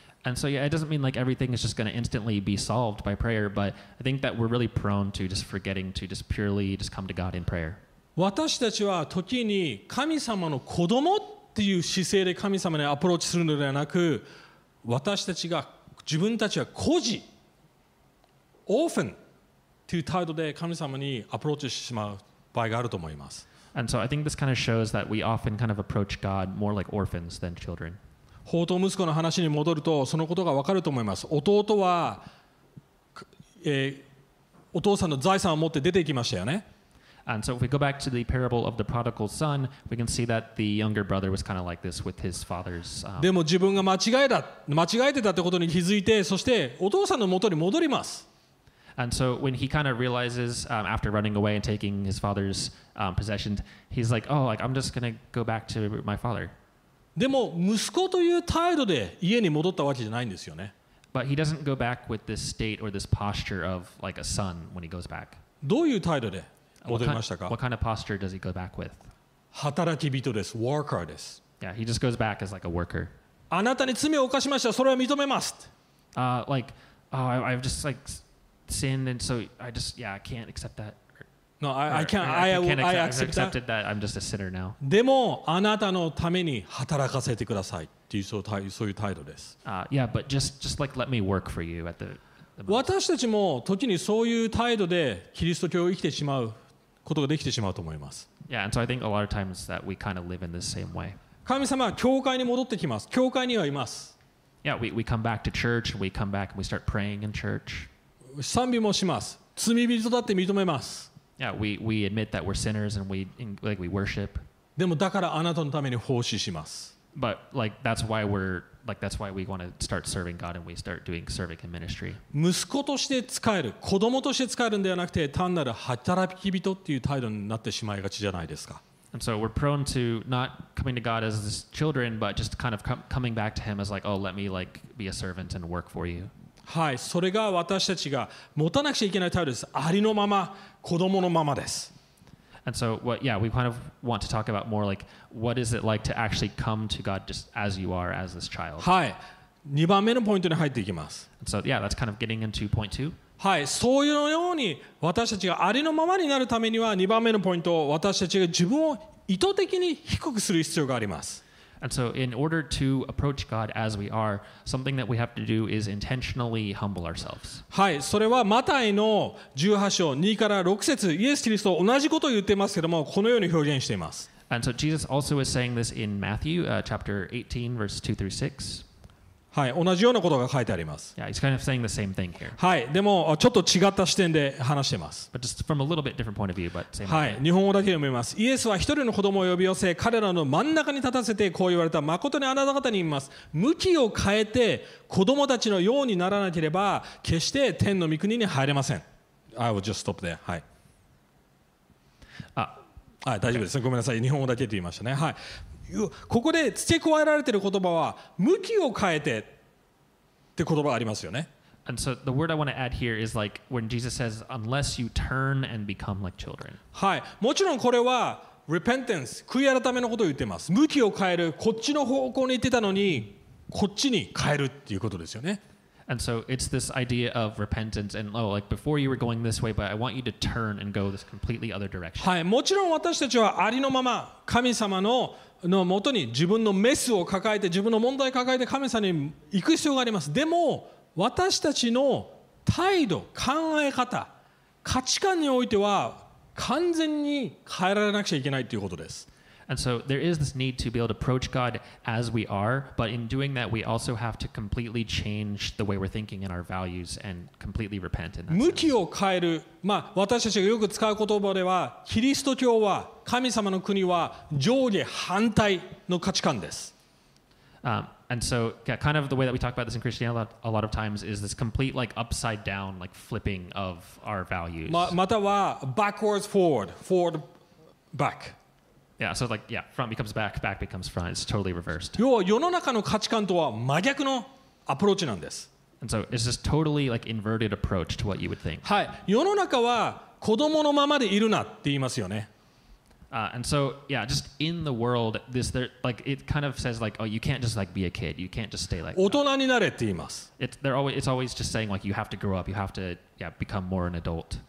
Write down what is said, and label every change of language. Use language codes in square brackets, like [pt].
[en] And so yeah, it doesn't mean like everything is just going to instantly be solved by prayer, but I think that we're really prone to just forgetting to just purely just come to God in prayer. [ja] 私たちは時に神様の子供っていう姿勢で神様にアプローチするのではなく、私たちが自分たちは孤児、orphan という態度で神様にアプローチしてしまう場合があると思います。 [en] And so I think this kind of shows that we often kind of approach God more like orphans than children. [ja] 放蕩息子の話に戻るとそのことが分かると思います。弟は、お父さんの財産を持って出て行きましたよね。 [en] And so if we go back to the parable of the prodigal son, we can see that the younger brother was kind of like this with his father's, [ja] でも自分が間違えてたってことに気づいて、そしてお父さんの元に戻ります。 [en] And so when he kind of realizes, after running away and taking his father's, possessions, he's like, oh, like, I'm just going to go back to my father. [ja] でも息子という態度で家に戻ったわけじゃないんですよね。 [en] But he doesn't go back with this state or this posture of like a son when he goes back. [ja] どういう態度で戻りましたか? [en] What kind of posture does he go back with? [ja] 働き人です。Worker です。 [en] Yeah, he just goes back as like a worker. [ja] あなたに罪を犯しました。それは認めます。 [en] Like, oh, I've just like sinned and so I just, yeah, I can't accept that. No, I accepted that I'm just a sinner now. [ja] でもあなたのために働かせてくださいっていうそういう態度です。 [en] Yeah, but just like let me work for you at the most. [ja] 私たちも時にそういう態度でキリスト教を生きてしまうことができてしまうと思います。 [en] Yeah, and so I think a lot of times that we kind of live in the same way. [ja] 神様は教会に戻ってきます。教会にはいます。 [en] Yeah, we come back to church, we come back and we start praying in church. [ja] 賛美もします。罪人だって認めます。 [en] Yeah, we admit that we're sinners and we worship. [ja] でもだからあなたのために奉仕します。 [en] But like that's why we want to start serving God and we start doing serving in ministry. [ja] 息子として使える、子供として使えるんではなくて、単なる働き人っていう態度になってしまいがちじゃないですか。 [en] And so we're prone to not coming to God as children, but just kind of coming back to Him as like, oh, let me like be a servant and work for you. [ja] はい、それが私たちが持たなくちゃいけない態度です。ありのまま、子供のままです。 [en] And so, what, yeah, we kind of want to talk about more like, what is it like to actually come to God just as you are, as this child? [ja] はい、2番目のポイントに入っていきます。 [en] And so, yeah, that's kind of getting into point two. [ja] はい、そういうように私たちがありのままになるためには、2番目のポイントを私たちが自分を意図的に低くする必要があります。 [en] And so in order to approach God as we are, something that we have to do is intentionally humble ourselves. [ja] はい、それはマタイの18章2から6節、イエス・キリスト同じことを言ってますけども、このように表現しています。 [en] And so Jesus also is saying this in Matthew, chapter 18, verse 2 through 6. [ja] はい、同じようなことが書いてあります。 [en] Yeah, he's kind of saying the same thing here. [ja] はい、でもちょっと違った視点で話してます。 [en] But just from a little bit different point of view, but same thing. [ja] はい、日本語だけ読みます。イエスは一人の子供を呼び寄せ、彼らの真ん中に立たせてこう言われた。誠にあなた方に言います。向きを変えて子供たちのようにならなければ、決して天の御国に入れません。 [en] I will just stop there. はい。 [ja] はい、大丈夫です。ごめんなさい。日本語だけって言いましたね。はい。ここで付け加えられている言葉は、向きを変えてって言葉ありますよね。 [en] And so the word I want to add here is like when Jesus says, unless you turn and become like children. [ja] はい。もちろんこれは repentance、悔い改めのことを言ってます。向きを変える、こっちの方向に行ってたのに、こっちに変えるっていうことですよね。 [en] And so it's this idea of repentance and oh, like before you were going this way, but I want you to turn and go this completely other direction. [ja] はい、もちろん私たちはありのまま神様の元に自分のメスを抱えて自分の問題を抱えて神様に行く必要があります。でも私たちの態度、考え方、価値観においては完全に変えられなくちゃいけないということです。 [en] And so there is this need to be able to approach God as we are, but in doing that, we also have to completely change the way we're thinking and our values and completely repent in that sense. [ja] 向きを変える、まあ、私たちがよく使う言葉では、キリスト教は、神様の国は、上下反対の価値観です。 [en] And so, yeah, kind of the way that we talk about this in Christianity a lot of times is this complete like upside down, like flipping of our values. [ja] または [en] backwards forward, forward back. Yeah, so like, yeah, front becomes back, back becomes front. It's totally reversed. [ja] 要は世の中の価値観とは真逆のアプローチなんです。 [en] And so it's just totally like inverted approach to what you would think. [ja] はい、世の中は子供のままでいるなって言いますよね。 [en] And so, yeah, just in the world, this, there, like, it kind of says like, oh, you can't just like be a kid. You can't just stay like that. [ja] 大人になれって言います。 [en] It's always just saying like, you have to grow up. You have to, yeah, become more an adult.